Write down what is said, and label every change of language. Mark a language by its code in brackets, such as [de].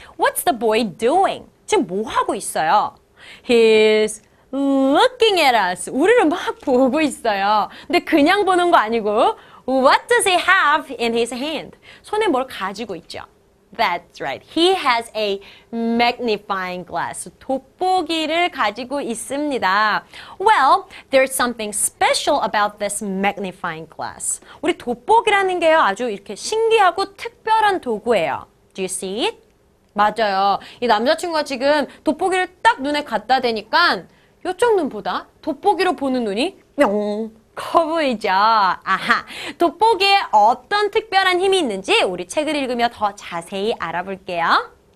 [en] What's the boy doing? [ko] 지금 뭐 하고 있어요? [en] He's looking at us. [ko] 우리를 막 보고 있어요. 근데 그냥 보는 거 아니고 [en] What does he have in his hand? [ko] 손에 뭘 가지고 있죠? [en] That's right. He has a magnifying glass. [ko] 돋보기를 가지고 있습니다. [en] Well, there's something special about this magnifying glass. [ko] 우리 돋보기라는 게요, 아주 이렇게 신기하고 특별한 도구예요. [en] Do you see it? [ko] 맞아요. 이 남자친구가 지금 돋보기를 딱 눈에 갖다 대니까 요쪽 눈보다 돋보기로 보는 눈이 뿅 커 보이죠? 아하, 돋보기에 어떤 특별한 힘이 있는지 우리 책을 읽으며 더 자세히 알아볼게요.